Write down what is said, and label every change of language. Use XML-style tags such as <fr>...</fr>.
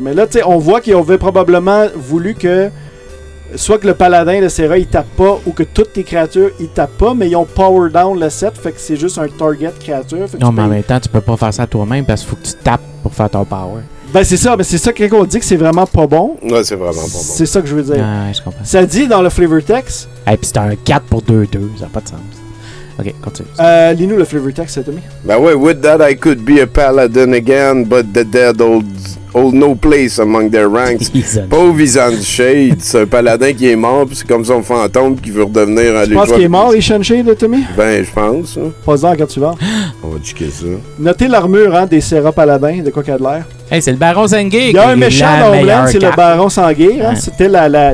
<fr>Mais là, tu sais, on voit qu'ils avaient probablement voulu que soit que le paladin de Serra il tape pas ou que toutes tes créatures ils tapent pas, mais ils ont power down le set, fait que c'est juste un target créature. Non, mais en même temps, tu peux pas faire ça toi-même parce qu'il faut que tu tapes pour faire ton power. Ben c'est ça, mais c'est ça que quand on dit que c'est vraiment pas bon. Ouais, c'est vraiment pas bon. C'est ça que je veux dire. Ouais, je comprends. Ça dit dans le flavor text. Et hey, puis c'est un 4 pour 2-2, ça n'a pas de sens. Ok, continue. Lis-nous le flavor text, Tommy. Ben ouais,</fr> <en>with that I could be a paladin again, but the dead hold no place among their ranks.</en> <fr>Pauvre Ishan Shade, c'est un paladin qui est mort, puis c'est comme son fantôme qui veut redevenir à lui. Tu penses qu'il est mort, Ishan Shade, Tommy? Ben, je pense. Hein. Pas dedans quand tu vas. On va checker ça. Notez l'armure hein, des Serra Paladins, de quoi qu'il y a de l'air. Hey, c'est le Baron Sanguir. Il y a un méchant dans Homeland, c'est le Baron Sanguir. Hein. Ouais. C'était la.</fr>